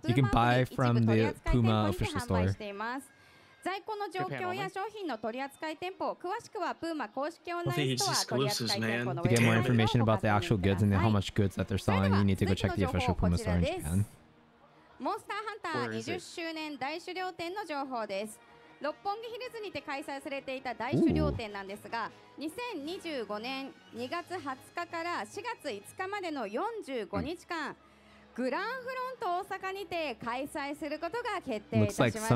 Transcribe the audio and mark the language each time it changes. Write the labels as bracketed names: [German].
[English] You can buy from the Puma official store. [Japanese] 在庫の状況や商品の取扱店舗、詳しくはプーマ公式オンラインストア取扱店舗のウェブサイトをご覧ください。 [English] To get more information about the actual goods and how much goods that they're selling, you need to go check the official Puma store in Japan. [Japanese] モンスターハンター20周年大狩猟展の情報です。六本木ヒルズにて開催されていた大狩猟展なんですが、2025年2月20日から4月5日までの45日間、グランフロント大阪にて開催することが決定いたしました。